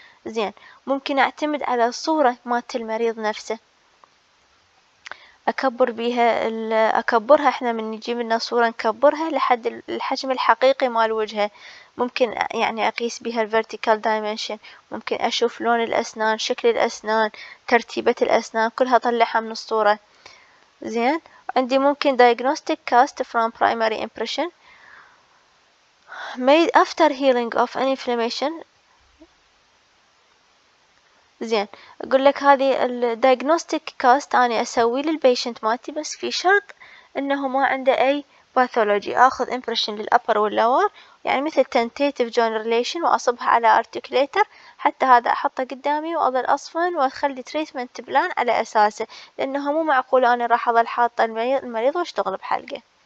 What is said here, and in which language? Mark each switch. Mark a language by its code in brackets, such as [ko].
[ar] زين، ممكن أعتمد على الصورة مالت المريض نفسه، أكبر بيها أكبرها، إحنا من نجيب لنا صورة نكبرها لحد الحجم الحقيقي مال وجهه، ممكن يعني أقيس بها الفيرتيكال دايمنشن، ممكن أشوف لون الأسنان، شكل الأسنان، ترتيبة الأسنان، كلها أطلعها من الصورة. زين، عندي ممكن [en] diagnostic cast from primary impression made after healing of an inflammation. [ar] زين، أقول لك هذه ال diagnostic cast أنا أسوي للبيشنت ماتي، بس في شرط إنه ما عنده أي باثولوجي، اخذ امبريشن للابر واللور، يعني مثل تنتيتيف جون ريليشن، واصبها على ارتكليتر حتى هذا احطه قدامي، واظل اصفن واخلي تريتمنت بلان على اساسه، لانه مو معقول انا راح اظل حاطه المريض واشتغل بحلقه.